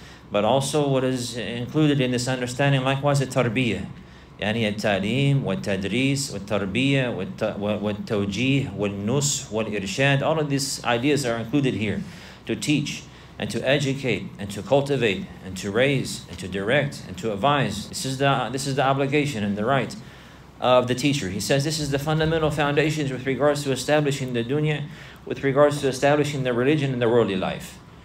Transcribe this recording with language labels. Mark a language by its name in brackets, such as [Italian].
[English] But also what is included in this understanding, likewise, التربية. [Arabic] يعني التعليم والتدريس والتربية والتوجيه والنص والإرشاد. [English] All of these ideas are included here. To teach. And to educate, and to cultivate, and to raise, and to direct, and to advise. This is the obligation and the right of the teacher. He says this is the fundamental foundations with regards to establishing the dunya, with regards to establishing the religion and the worldly life.